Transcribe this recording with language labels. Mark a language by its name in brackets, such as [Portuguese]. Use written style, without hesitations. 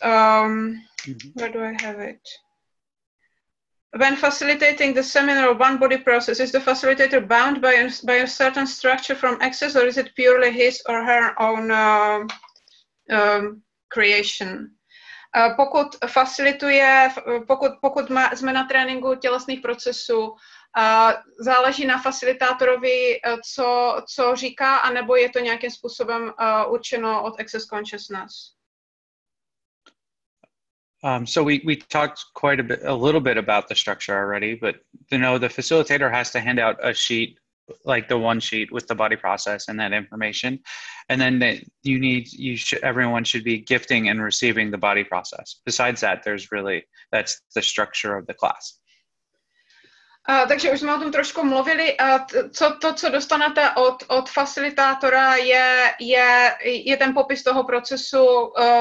[English] Mm-hmm. Where do I have it? When facilitating the seminar of one body process, is the facilitator bound by a certain structure from access, or is it purely his or her own creation? [Czech] Pokud facilituje, pokud má, jsme na tréninku tělesných procesů, záleží na facilitátorovi, co říká, anebo je to nějakým způsobem určeno od access consciousness. [English] So we talked quite a little bit about the structure already, but you know, the facilitator has to hand out a sheet, like the one sheet with the body process and that information, and then everyone should be gifting and receiving the body process. Besides that, that's the structure of the class. [Czech] Takže už jsme o tom trošku mluvili. Co dostanete od facilitátora je ten popis toho procesu.